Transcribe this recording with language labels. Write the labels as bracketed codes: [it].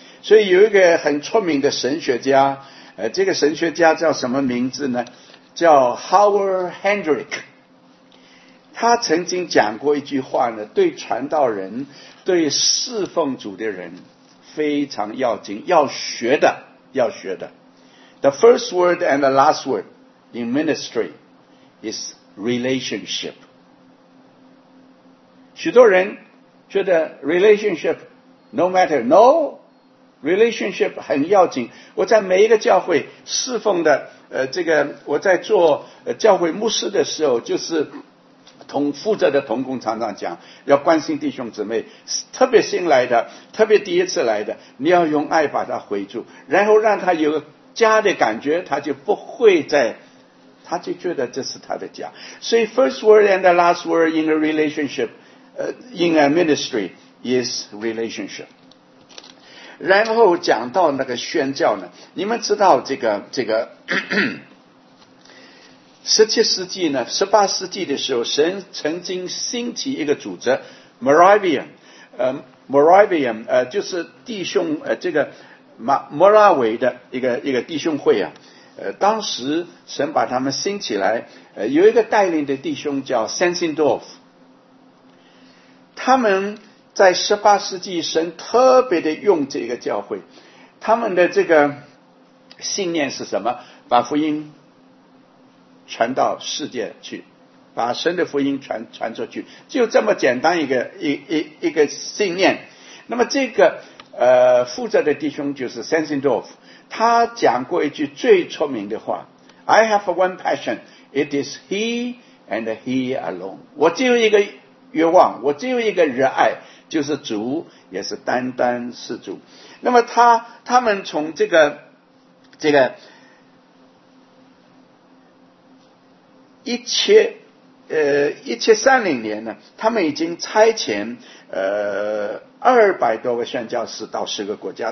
[zh] 所以有一个很出名的神学家，这个神学家叫什么名字呢？叫 Howard Hendrick。他曾经讲过一句话呢，对传道人，对侍奉主的人非常要紧，要学的。 [en] The first word and the last word in ministry is relationship. [zh] 许多人觉得 [en] relationship no matter, no, [zh] relationship 很要紧。我在每一个教会侍奉的，这个我在做教会牧师的时候，就是同负责的同工常常讲，要关心弟兄姊妹，特别新来的，特别第一次来的，你要用爱把他回住，然后让他有个家的感觉，他就不会再，他就觉得这是他的家。 [en] 所以 first word and the last word in a relationship, in a ministry is relationship。 [zh] 然后讲到那个宣教呢，你们知道这个18世纪的时候，神曾经兴起一个组织 Moravian， 就是弟兄，这个摩拉维的一个弟兄会啊。当时神把他们兴起来，有一个带领的弟兄叫 Sensendorf， 他们在18世纪神特别的用这个教会。他们的这个信念是什么？把福音传到世界去，把神的福音传出去，就这么简单一个信念。那么这个负责的弟兄就是 Sensendorf， 他讲过一句最出名的话： [en] I have one passion, it is he and he alone。 [zh] 我只有一个愿望，我只有一个热爱，就是主，也是单单是主。那么他们从这个 1730年呢，他们已经差遣200多个宣教士到10个国家。